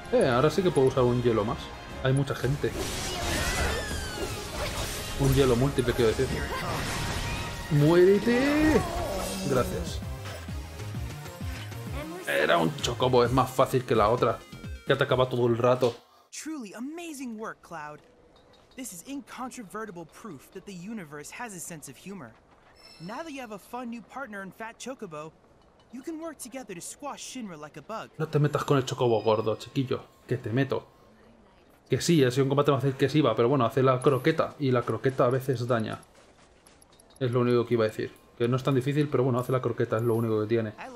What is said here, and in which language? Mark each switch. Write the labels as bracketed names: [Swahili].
[Spanish] Ahora sí que puedo usar un hielo más. Hay mucha gente. Un hielo múltiple, quiero decir. ¡Muérete! Gracias. Era un chocobo, es más fácil que la otra. Ya te acaba todo el rato. [English] Truly amazing work, Cloud. This is incontrovertible proof that the universe has a sense of humor. Now that you have a fun new partner in Fat Chocobo, you can work together to squash Shinra like a bug. [Spanish] No te metas con el Chocobo gordo, chiquillo. Que te meto. Que sí, ha sido un combate más fácil que Shiva, pero bueno, hace la croqueta. Y la croqueta a veces daña. Es lo único que iba a decir. Que no es tan difícil, pero bueno, hace la croqueta, es lo único que tiene.